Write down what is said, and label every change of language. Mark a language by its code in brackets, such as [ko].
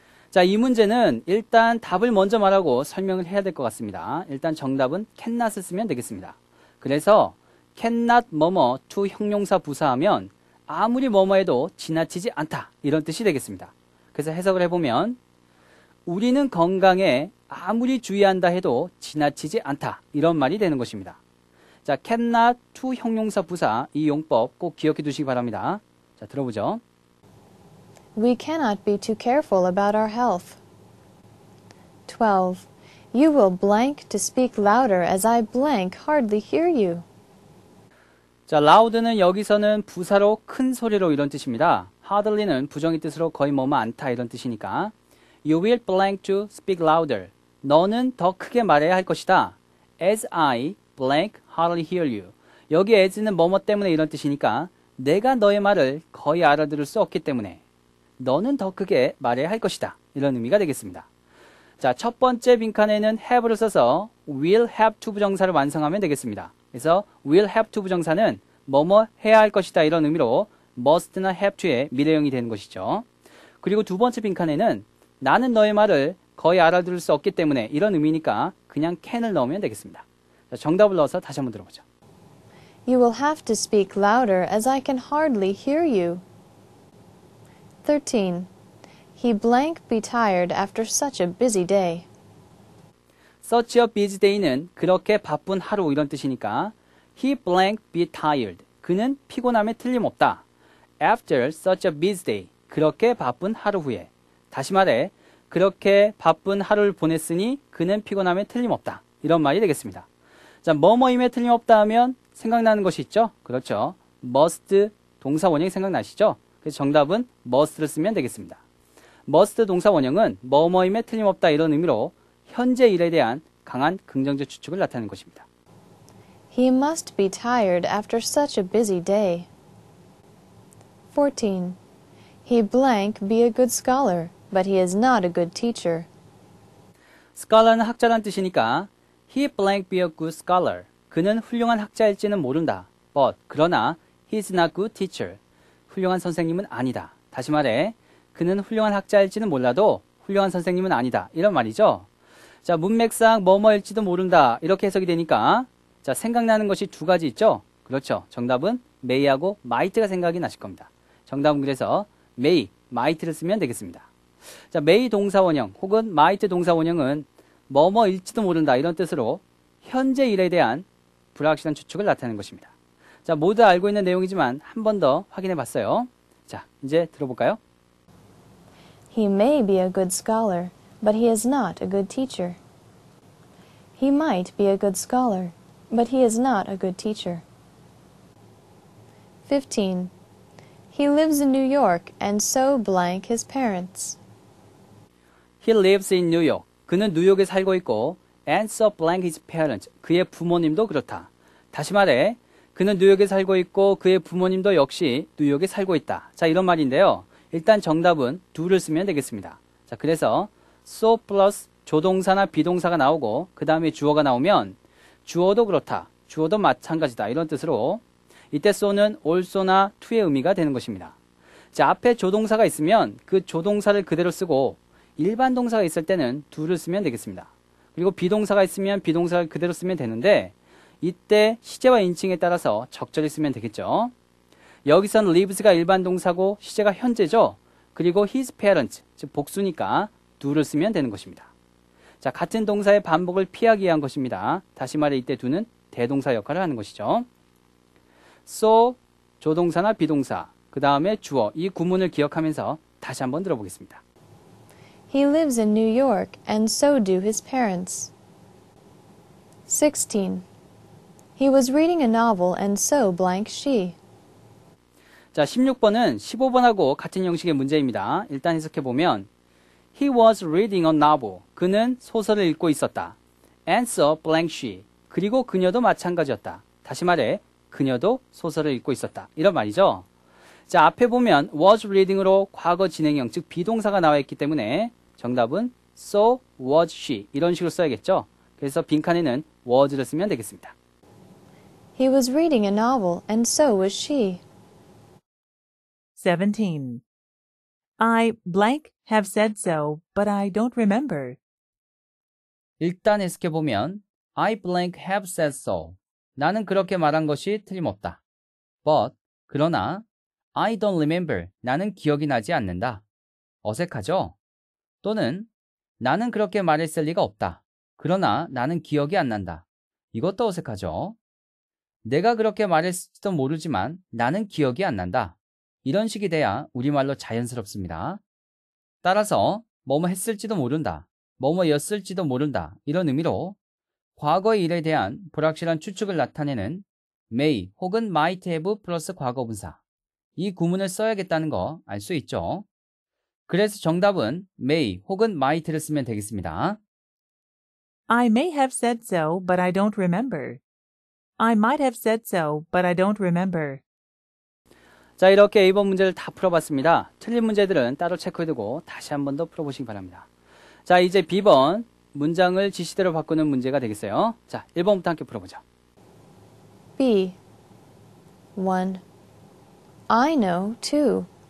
[ko] 자, 이 문제는 일단 답을 먼저 말하고 설명을 해야 될 것 같습니다. 일단 정답은 cannot을 쓰면 되겠습니다. 그래서 cannot 뭐뭐 to 형용사 부사하면 아무리 뭐뭐해도 지나치지 않다 이런 뜻이 되겠습니다. 그래서 해석을 해보면 우리는 건강에 아무리 주의한다 해도 지나치지 않다 이런 말이 되는 것입니다. 자, cannot to 형용사 부사 이 용법 꼭 기억해 두시기 바랍니다. 자, 들어보죠. [en] We cannot be too careful about our health. 12. You will blank to speak louder as I blank hardly hear you. [ko] 자, loud는 여기서는 부사로 큰 소리로 이런 뜻입니다. hardly는 부정의 뜻으로 거의 뭐뭐 않다 이런 뜻이니까. [en] You will blank to speak louder. [ko] 너는 더 크게 말해야 할 것이다. [en] As I blank hardly hear you. [ko] 여기 as는 뭐뭐 때문에 이런 뜻이니까 내가 너의 말을 거의 알아들을 수 없기 때문에 너는 더 크게 말해야 할 것이다. 이런 의미가 되겠습니다. 자, 첫 번째 빈칸에는 have를 써서 will have to 부정사를 완성하면 되겠습니다. 그래서 will have to 부정사는 뭐뭐 해야 할 것이다 이런 의미로 must나 have to의 미래형이 되는 것이죠. 그리고 두 번째 빈칸에는 나는 너의 말을 거의 알아들을 수 없기 때문에 이런 의미니까 그냥 can을 넣으면 되겠습니다. 자, 정답을 넣어서 다시 한번 들어보죠. [en] You will have to speak louder as I can hardly hear you. 13. He blank be tired after such a busy day. Such a busy day는 [ko] 그렇게 바쁜 하루 이런 뜻이니까 [en] He blank be tired. [ko] 그는 피곤함에 틀림없다. [en] After such a busy day. [ko] 그렇게 바쁜 하루 후에. 다시 말해 그렇게 바쁜 하루를 보냈으니 그는 피곤함에 틀림없다. 이런 말이 되겠습니다. 자, 뭐뭐임에 틀림없다 하면 생각나는 것이 있죠? 그렇죠. must 동사 원형이 생각나시죠? 그래서 정답은 must를 쓰면 되겠습니다. must 동사 원형은 뭐뭐임에 틀림없다 이런 의미로 현재 일에 대한 강한 긍정적 추측을 나타내는 것입니다. [en] He must be tired after such a busy day. 14. He blank be a good scholar, but he is not a good teacher. Scholar는 [ko] 학자란 뜻이니까 [en] He blank be a good scholar. [ko] 그는 훌륭한 학자일지는 모른다. [en] But, 그러나, he is not a good teacher. [ko] 훌륭한 선생님은 아니다. 다시 말해, 그는 훌륭한 학자일지는 몰라도 훌륭한 선생님은 아니다. 이런 말이죠. 자, 문맥상 뭐뭐일지도 모른다. 이렇게 해석이 되니까, 자, 생각나는 것이 두 가지 있죠? 그렇죠. 정답은 may하고 might가 생각이 나실 겁니다. 정답은 그래서 may, might를 쓰면 되겠습니다. 자, may 동사원형 혹은 might 동사원형은 뭐뭐일지도 모른다. 이런 뜻으로 현재 일에 대한 불확실한 추측을 나타내는 것입니다. 자, 모두 알고 있는 내용이지만 한 번 더 확인해 봤어요. 자, 이제 들어볼까요? [en] He may be a good scholar, but he is not a good teacher. He might be a good scholar, but he is not a good teacher. 15. He lives in New York and so blank his parents. He lives in New York. [ko] 그는 뉴욕에 살고 있고 [en] And so blank his parents. [ko] 그의 부모님도 그렇다. 다시 말해, 그는 뉴욕에 살고 있고 그의 부모님도 역시 뉴욕에 살고 있다. 자, 이런 말인데요. 일단 정답은 do를 쓰면 되겠습니다. 자, 그래서 so plus 조동사나 비동사가 나오고 그 다음에 주어가 나오면 주어도 그렇다. 주어도 마찬가지다. 이런 뜻으로 이때 so는 also나 to의 의미가 되는 것입니다. 자, 앞에 조동사가 있으면 그 조동사를 그대로 쓰고 일반 동사가 있을 때는 do를 쓰면 되겠습니다. 그리고 비동사가 있으면 비동사를 그대로 쓰면 되는데 이때 시제와 인칭에 따라서 적절히 쓰면 되겠죠. 여기서는 lives가 일반 동사고 시제가 현재죠. 그리고 his parents, 즉 복수니까 do를 쓰면 되는 것입니다. 자, 같은 동사의 반복을 피하기 위한 것입니다. 다시 말해 이때 do는 대동사 역할을 하는 것이죠. so, 조동사나 비동사, 그 다음에 주어, 이 구문을 기억하면서 다시 한번 들어보겠습니다. [en] He lives in New York, and so do his parents. 16. He was reading a novel, and so blank she. [ko] 자, 16번은 15번하고 같은 형식의 문제입니다. 일단 해석해보면, [en] He was reading a novel. [ko] 그는 소설을 읽고 있었다. [en] And so blank she. [ko] 그리고 그녀도 마찬가지였다. 다시 말해, 그녀도 소설을 읽고 있었다. 이런 말이죠. 자, 앞에 보면 was reading으로 과거 진행형, 즉 비동사가 나와있기 때문에 정답은 [en] so was she [ko] 이런 식으로 써야겠죠. 그래서 빈칸에는 was를 쓰면 되겠습니다. [en] He was reading a novel and so was she. 17. I blank have said so, but I don't remember. [ko] 일단 해석해보면 [en] I blank have said so. [ko] 나는 그렇게 말한 것이 틀림없다. [en] But, 그러나 I don't remember. [ko] 나는 기억이 나지 않는다. 어색하죠? 또는 나는 그렇게 말했을 리가 없다. 그러나 나는 기억이 안 난다. 이것도 어색하죠? 내가 그렇게 말했을지도 모르지만 나는 기억이 안 난다. 이런 식이 돼야 우리말로 자연스럽습니다. 따라서 뭐뭐 했을지도 모른다. 뭐뭐였을지도 모른다 이런 의미로 과거의 일에 대한 불확실한 추측을 나타내는 may 혹은 might have 플러스 과거분사 이 구문을 써야겠다는 거 알 수 있죠. 그래서 정답은 may 혹은 might를 쓰면 되겠습니다. [en] I may have said so, but I don't remember. I might have said so, but I don't remember. [ko] 자, 이렇게 A번 문제를 다 풀어봤습니다. 틀린 문제들은 따로 체크해두고 다시 한 번 더 풀어보시기 바랍니다. 자, 이제 B번 문장을 지시대로 바꾸는 문제가 되겠어요. 자, 1번부터 함께 풀어보죠. [en] B. 1. I know too.